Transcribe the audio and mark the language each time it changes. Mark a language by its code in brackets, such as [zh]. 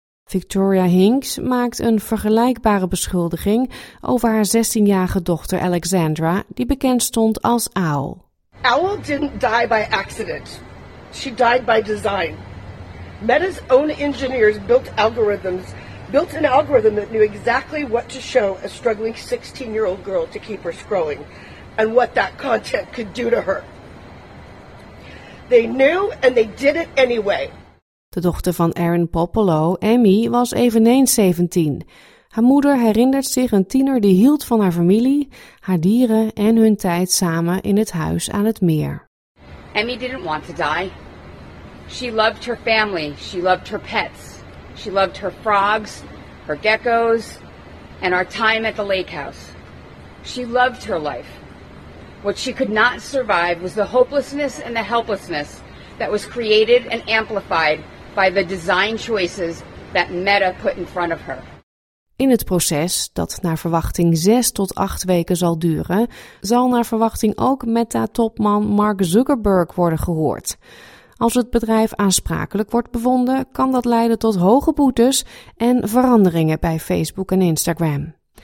[nl] Victoria Hinks maakt een vergelijkbare beschuldiging over haar 16-jarige dochter Alexandra, die bekend stond als Owl. [en] Owl didn't die by accident. She died by design. Meta's own engineers built an algorithm that knew exactly what to show a struggling 16-year-old girl to keep her scrolling and what that content could do to her. They knew and they did it anyway. [nl] De dochter van Aaron Popolo, Emmy, was eveneens 17. Haar moeder herinnert zich een tiener die hield van haar familie, haar dieren en hun tijd samen in het huis aan het meer. [en] Emmy didn't want to die. She loved her family, she loved her pets, she loved her frogs, her geckos, and our time at the lake house. She loved her life. What she could not survive was the hopelessness and the helplessness that was created and amplified by the design choices that Meta put in front of her. [nl] In het proces, dat naar verwachting 6 tot 8 weken zal duren, zal naar verwachting ook Meta-topman Mark Zuckerberg worden gehoord. Als het bedrijf aansprakelijk wordt bevonden, kan dat leiden tot hoge boetes en veranderingen bij Facebook en Instagram.